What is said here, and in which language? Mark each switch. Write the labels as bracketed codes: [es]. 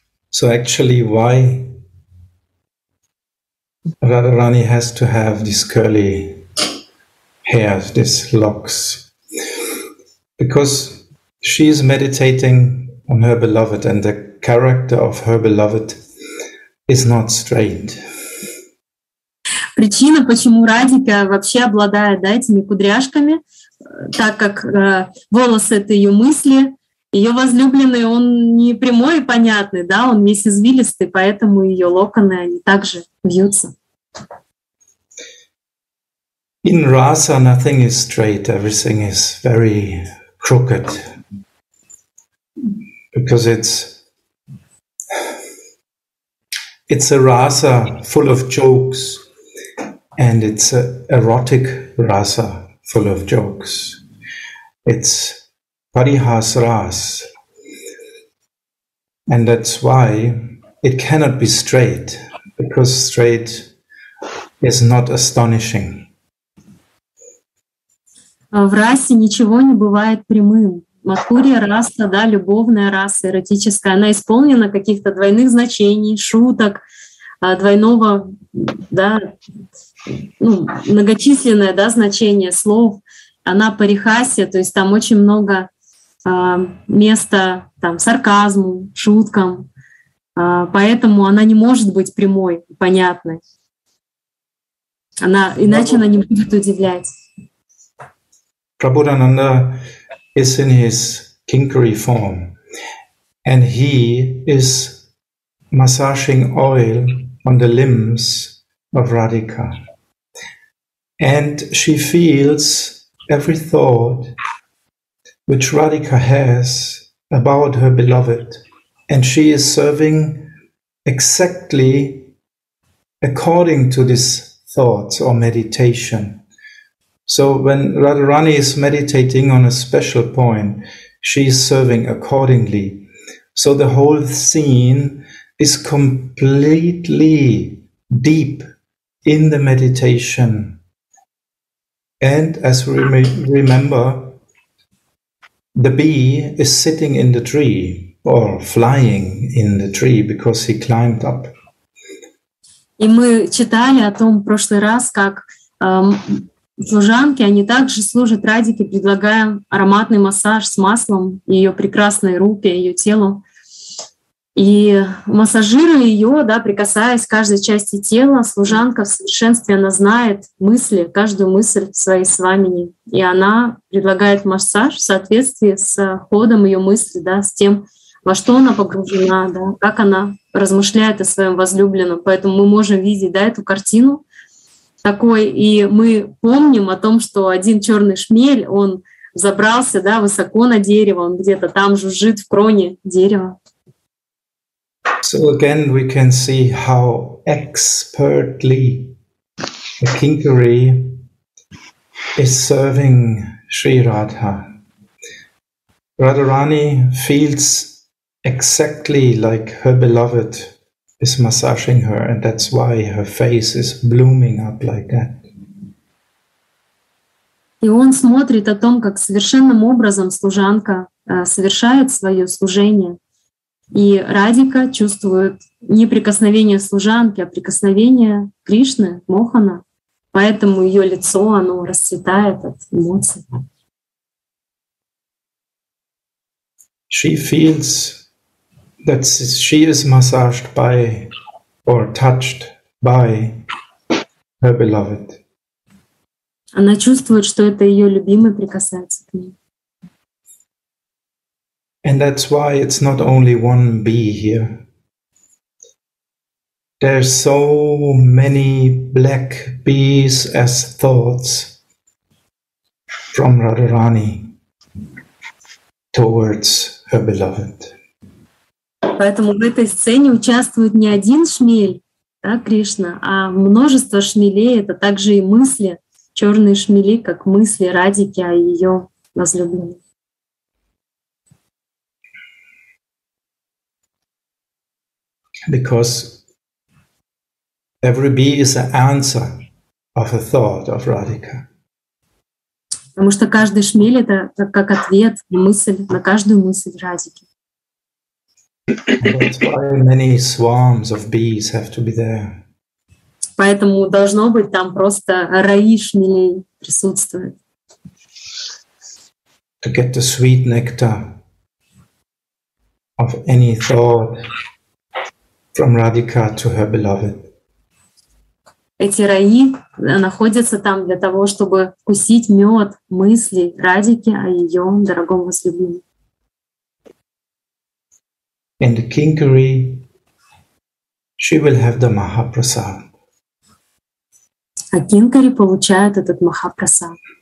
[en] So actually, why Radharani has to have these curly hairs, these locks? Because she is meditating on her beloved, and the character of her beloved is not strained. [ru] Причина, почему Радика вообще обладает, да, этими кудряшками, так как волосы — это ее мысли, ее возлюбленный, он не прямой и понятный, да, он весь извилистый, поэтому ее локоны, они также вьются. [en] In rasa nothing is straight, everything is very crooked, because it's a rasa full of jokes. And it's an erotic rasa full of jokes. It's parihas ras. And that's why it cannot be straight, because straight is not astonishing. [ru] В расе ничего не бывает прямым. Матхурия раса, да, любовная раса, эротическая, она исполнена каких-то двойных значений, шуток, двойного, да, ну, многочисленное, да, значение слов, она парихасия, то есть там очень много места там сарказму, шуткам, поэтому она не может быть прямой, понятной. Она, иначе она не будет удивлять. [en] Прабхудананда is in his kinkari form, and he is massaging oil on the limbs of Radhika. And she feels every thought which Radhika has about her beloved. And she is serving exactly according to these thoughts or meditation. So when Radharani is meditating on a special point, she is serving accordingly. So the whole scene is completely deep in the meditation. And as we remember, the bee is sitting in the tree or flying in the tree because he climbed up. [ru] И мы читали о том в прошлый раз, как служанки, они также служат Радике, предлагая ароматный массаж с маслом ее прекрасной руке, ее телу. И массажируя ее, да, прикасаясь к каждой части тела, служанка в совершенстве, она знает мысли, каждую мысль в своей свамине. И она предлагает массаж в соответствии с ходом ее мысли, да, с тем, во что она погружена, да, как она размышляет о своем возлюбленном. Поэтому мы можем видеть, да, эту картину такой. И мы помним о том, что один черный шмель, он забрался, да, высоко на дерево, он где-то там жужжит в кроне дерева. [en] So again, we can see how expertly the kinkari is serving Sri Radha. Radharani feels exactly like her beloved is massaging her, and that's why her face is blooming up like that. [ru] И он смотрит о том, как совершенным образом служанка совершает свое служение. И Радика чувствует не прикосновение служанки, а прикосновение Кришны, Мохана. Поэтому ее лицо, оно расцветает от эмоций. [en] She feels that she is massaged by or touched by her beloved. [ru] Она чувствует, что это ее любимый прикасается к ней. [en] And that's why it's not only one bee here. There's so many black bees as thoughts from Radharani towards her beloved. [ru] Поэтому в этой сцене участвует не один шмель, да, Кришна, а множество шмелей, это также и мысли, черные шмели, как мысли Радики о ее возлюбленной. [en] Because every bee is an answer of a thought of Radhika. [ru] Потому что каждый шмель — это как ответ на мысль, на каждую мысль Радики. [en] That's why many swarms of bees have to be there. [ru] Поэтому должно быть там просто раи шмелей присутствует. [en] To get the sweet nectar of any thought from Radhika to her beloved. [ru] Эти раи находятся там для того, чтобы вкусить мед мыслей Радики о ее дорогом возлюбленном. [en] In the kinkeri, she will have the Mahaprasad. [ru] А кинкари получает этот Махапрасад.